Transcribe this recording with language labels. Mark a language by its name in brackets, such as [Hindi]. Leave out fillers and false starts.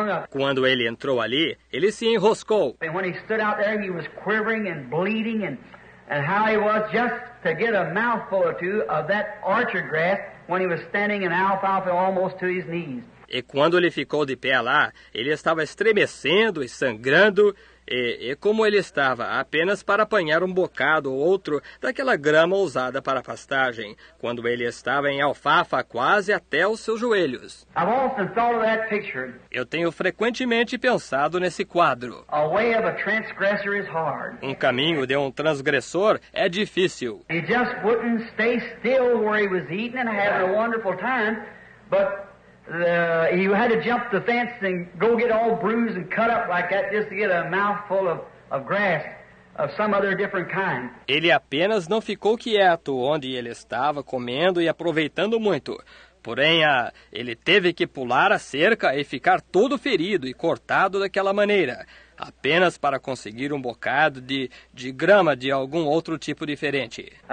[Portuguese] Quando ele entrou ali, ele se enroscou. E quando ele [English] stood out there, he was quivering and bleeding and how he was just to get a mouthful or two of that archer grass when he was standing in alfalfa almost to his knees. [Portuguese] E quando ele ficou de pé lá, ele estava estremecendo e sangrando, e como ele estava apenas para apanhar um bocado ou outro daquela grama usada para pastagem, quando ele estava em alfafa quase até os seus joelhos. [English] I've often thought of that picture. [Portuguese] Eu tenho frequentemente pensado nesse quadro. [English] A way of a transgressor is hard. [Portuguese] Um caminho de um transgressor é difícil. [English] He just wouldn't stay still where he was eating and having a wonderful time, but he had to jump the fence and go get all bruised and cut up like that just to get a mouthful of grass of some other different kind. [Portuguese] Ele apenas não ficou quieto onde ele estava comendo e aproveitando muito. Porém, ele teve que pular a cerca e ficar todo ferido e cortado daquela maneira, apenas para conseguir um bocado de grama de algum outro tipo diferente.